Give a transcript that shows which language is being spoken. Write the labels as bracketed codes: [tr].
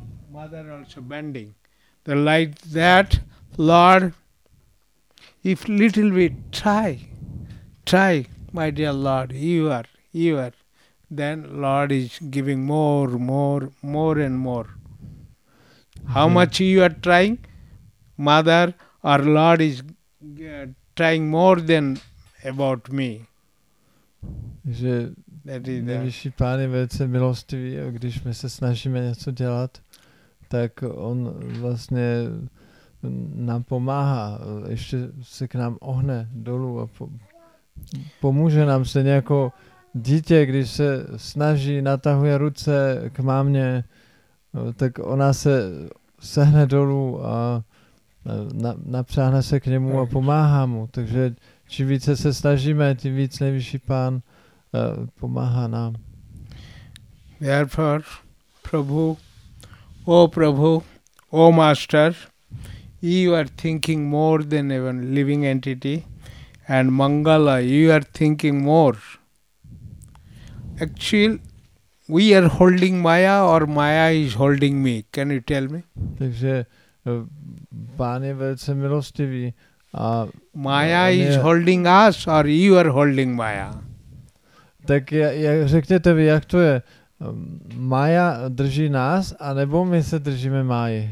[en] Mother also bending. The like that, Lord, if little bit try, my dear Lord, you are, then Lord is giving more and more. How much you are trying, mother or Lord is trying more than about me. [cs] Že nejvyšší pán je velice milostivý a když my se snažíme něco dělat, tak on vlastně nám pomáhá, ještě se k nám ohne dolů a pomůže nám se nějako dítě, když se snaží, natahuje ruce k mámě, tak ona se sehne dolů a napřáhne se k němu a pomáhá mu. Takže čím více se snažíme, tím víc nejvyšší pán pomáhá nám. [en] Therefore, Prabhu, O Master, you are thinking more than even living entity, and Mangala, you are thinking more. Actually, we are holding Maya or Maya is holding me. Can you tell me? [cs] Takže pán je velice milostivý a [en] Maya is holding us or you are holding Maya? [cs] Tak jak řekněte vy, jak to je? Maja drží nás, anebo my se držíme Máji?